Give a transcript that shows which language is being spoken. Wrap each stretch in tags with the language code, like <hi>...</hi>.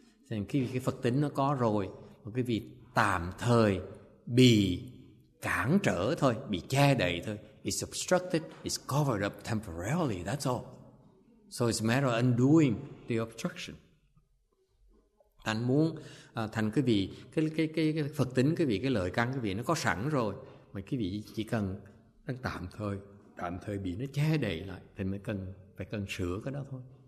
<vi>Thì cái Phật tính nó có rồi, một cái vị tạm thời bị cản trở thôi, bị che đậy thôi.</vi> <en>It's obstructed, it's covered up temporarily, that's all. So it's a matter of undoing the obstruction.</en> <vi>Thành muốn thành cái vị cái Phật tính, cái vị cái lợi căn, cái vị nó có sẵn rồi, mà cái vị chỉ cần đang tạm thời bị nó che đậy lại, thì mới cần sửa cái đó thôi.</vi>